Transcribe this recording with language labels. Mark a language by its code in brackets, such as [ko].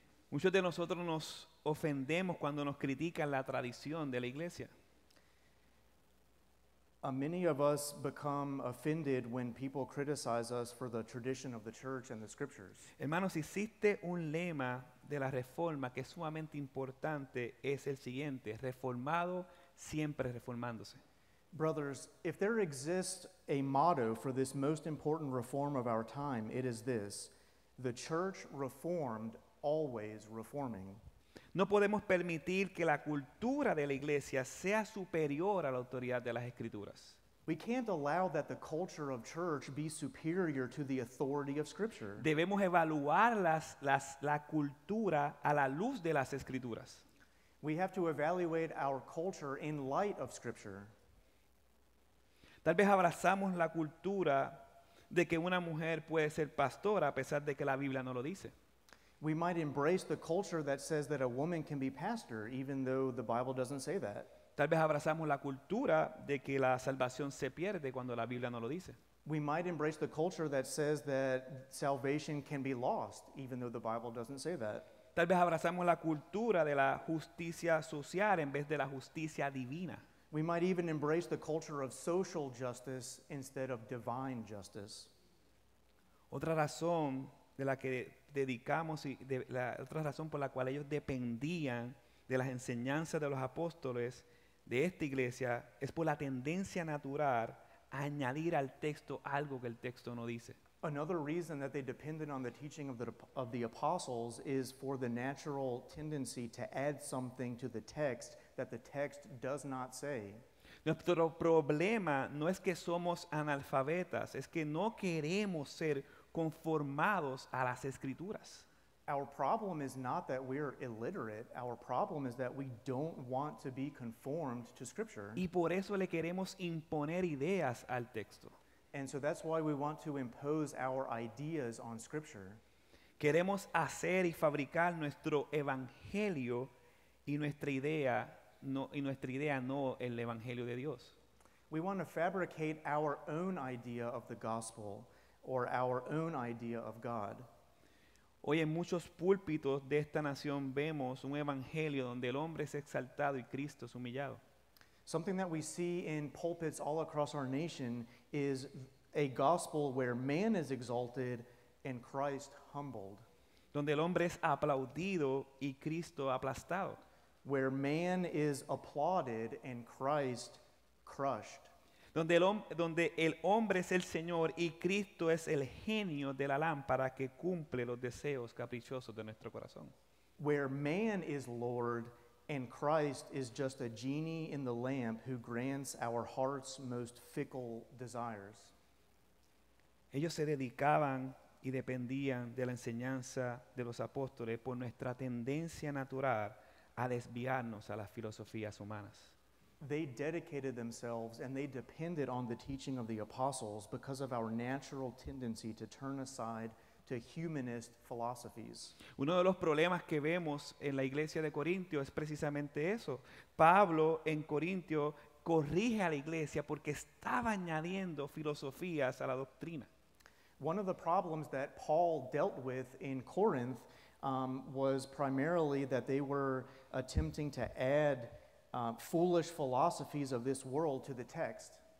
[es] Muchos de nosotros nos ofendemos cuando nos critican la tradición de la iglesia. [en] Many of us become offended when people criticize us for the tradition of the church and the scriptures. [es] Hermanos, existe un lema de la reforma que es sumamente importante, es el siguiente: reformado, siempre reformándose. [en] Brothers, if there exists a motto for this most important reform of our time, it is this: the church reformed, always reforming. [es] No podemos permitir que la cultura de la iglesia sea superior a la autoridad de las escrituras. [en] We can't allow that the culture of church be superior to the authority of scripture. [es] Debemos evaluar la cultura a la luz de las escrituras. [en] We have to evaluate our culture in light of scripture. [es] Tal vez abrazamos la cultura de que una mujer puede ser pastora a pesar de que la Biblia no lo dice. [en] We might embrace the culture that says that a woman can be pastor, even though the Bible doesn't say that. [es] Tal vez abrazamos la cultura de que la salvación se pierde cuando la Biblia no lo dice. [en] We might embrace the culture that says that salvation can be lost, even though the Bible doesn't say that. [es] Tal vez abrazamos la cultura de la justicia social en vez de la justicia divina. [en] We might even embrace the culture of social justice instead of divine justice. [es] Otra razón de la que dedicamos y de la otra razón por la cual ellos dependían de las enseñanzas de los apóstoles de esta iglesia es por la tendencia natural a añadir al texto algo que el texto no dice. [en] Another reason that they depended on the teaching of the apostles is for the natural tendency to add something to the text that the text does not say. [es] Nuestro problema no es que somos analfabetas, es que no queremos ser conformados a las escrituras. [en] Our problem is not that we're illiterate. Our problem is that we don't want to be conformed to Scripture. [es] Y por eso le queremos imponer ideas al texto. [en] And so that's why we want to impose our ideas on Scripture. [es] Queremos hacer y fabricar nuestro evangelio y nuestra idea, no, y nuestra idea no el evangelio de Dios. [en] We want to fabricate our own idea of the gospel or our own idea of God. [es] Hoy en muchos púlpitos de esta nación vemos un evangelio donde el hombre es exaltado y Cristo es humillado. [en] Something that we see in pulpits all across our nation is a gospel where man is exalted and Christ humbled. [es] Donde el hombre es aplaudido y Cristo aplastado. [en] Where man is applauded and Christ crushed. [es] Donde el hombre es el Señor y Cristo es el genio de la lámpara que cumple los deseos caprichosos de nuestro corazón. [en] Where man is Lord and Christ is just a genie in the lamp who grants our heart's most fickle desires. [es] Ellos se dedicaban y dependían de la enseñanza de los apóstoles por nuestra tendencia natural a desviarnos a las filosofías humanas. [en] They dedicated themselves and they depended on the teaching of the apostles because of our natural tendency to turn aside to humanist philosophies. [es] Uno de los problemas que vemos en la iglesia de Corintio es precisamente eso. Pablo en Corintio corrige a la iglesia porque estaba añadiendo filosofías a la doctrina. [en] One of the problems that Paul dealt with in Corinth was primarily that they were attempting to add foolish philosophies of this world to the text.